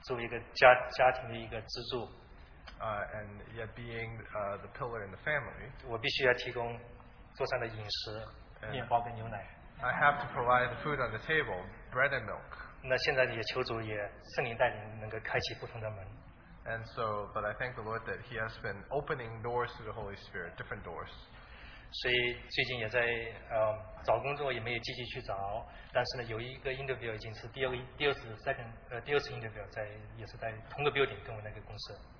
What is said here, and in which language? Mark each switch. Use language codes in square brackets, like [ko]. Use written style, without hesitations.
[zh] 作为一个家庭的一个支柱。 [en] And yet, being the pillar in the family. [zh] 我必须要提供桌上的饮食。 [en] I have to provide the food on the table, bread and milk. [zh] 那现在也求主也圣灵带领能够开启不同的门。 [en] And so, but I thank the Lord that He has been opening doors to the Holy Spirit, different doors. [zh] 所以最近也在找工作，也没有积极去找。但是呢，有一个 interview 已经是第二次 interview 在也是在同个 building 跟我那个公司。